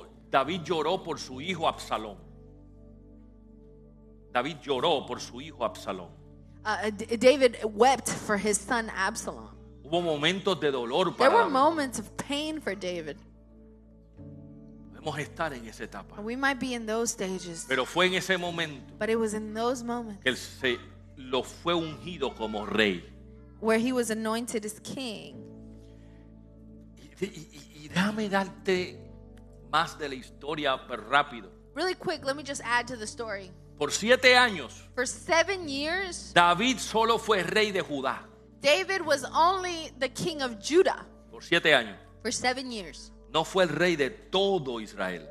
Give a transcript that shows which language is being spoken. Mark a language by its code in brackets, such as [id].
[es] David lloró por su hijo Absalón. David lloró por su hijo Absalón. [en] David wept for his son Absalom. [es] Hubo momentos de dolor para David. [en] There were moments of pain for David. [es] Podemos estar en esa etapa. [en] We might be in those stages. [es] Pero fue en ese momento. [en] But it was in those moments. [es] Que él se lo fue ungido como rey. [en] Where he was anointed as king. [es] Y déjame darte más de la historia, pero rápido. [en] Really quick, let me just add to the story. [es] Por siete años, [en] for 7 years, [es] David solo fue rey de Judá. [en] David was only the king of Judah. [es] Por siete años, [en] for 7 years, [es] no fue el rey de todo Israel.